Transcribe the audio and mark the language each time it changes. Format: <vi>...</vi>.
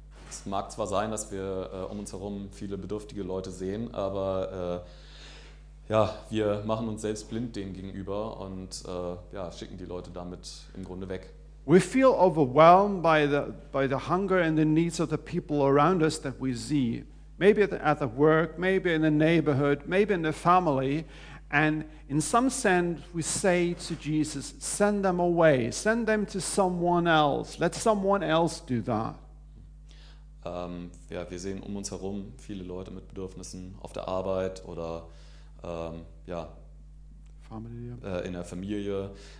<de>Es mag zwar sein, dass wir um uns herum viele bedürftige Leute sehen, aber ja, wir machen uns selbst blind dem gegenüber und ja, schicken die Leute damit im Grunde weg.</de> <en>We feel overwhelmed by the hunger and the needs of the people around us that we see. Maybe at the work, maybe in the neighborhood, maybe in the family, and in some sense we say to Jesus, send them away, send them to someone else. Let someone else do that.</en> <de>Ja, wir sehen um uns herum viele Leute mit Bedürfnissen auf der Arbeit oder ja, in der Familie.</de>